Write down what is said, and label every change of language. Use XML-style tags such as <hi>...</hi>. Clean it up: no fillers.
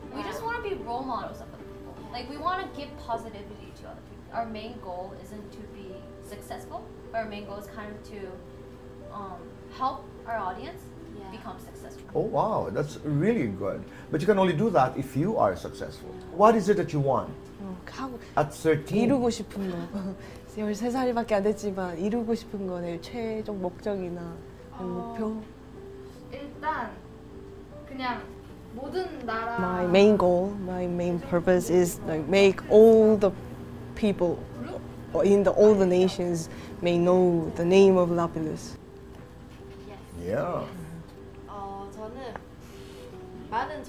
<en>We just want to be role models of other people. Like we want to give positivity. Our main goal isn't to be successful, but our main goal is kind of to help our audience become successful. Oh wow, that's really good. But you can only do that if you are successful. What is it that you want? At 13?</en> <ko>이루고 싶은 거. 13살밖에 안 됐지만 이루고 싶은 거, 내 최종 목적이나 목표? 일단 그냥 모든 나라...</ko> <en>My main goal, my main purpose is like make all the people in the, all the nations may know the name of Lapillus. Yeah.</en>